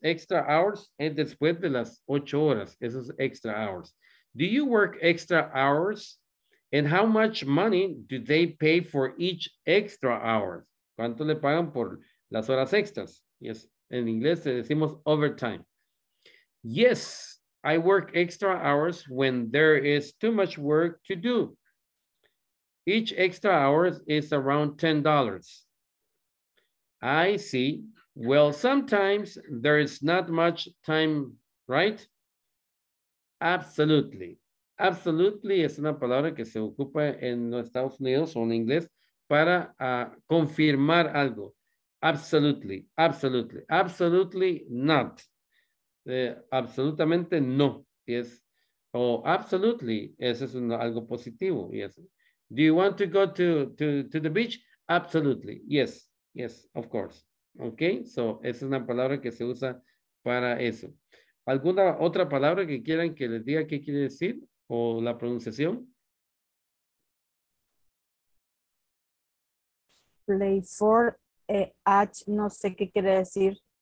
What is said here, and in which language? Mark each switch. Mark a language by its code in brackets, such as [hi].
[es] Extra hours es después de las 8 horas, esos extra hours. [en] Do you work extra hours? And how much money do they pay for each extra hour? [es] ¿Cuánto le pagan por las horas extras? Yes, en inglés le decimos overtime. [en] Yes, I work extra hours when there is too much work to do. Each extra hour is around $10. I see. Well, sometimes there is not much time, right? Absolutely. [es] Absolutely es una palabra que se ocupa en los Estados Unidos o en inglés para confirmar algo. [en] Absolutely, absolutely, absolutely not. [es] Absolutamente no, yes. Oh, absolutely, eso es algo positivo, yes. [en] Do you want to go to the beach? Absolutely, yes, yes, of course. [es] ¿Ok? So, esa es una palabra que se usa para eso. ¿Alguna otra palabra que quieran que les diga qué quiere decir? ¿O la pronunciación? [en] Play for H, [es] no sé qué quiere decir.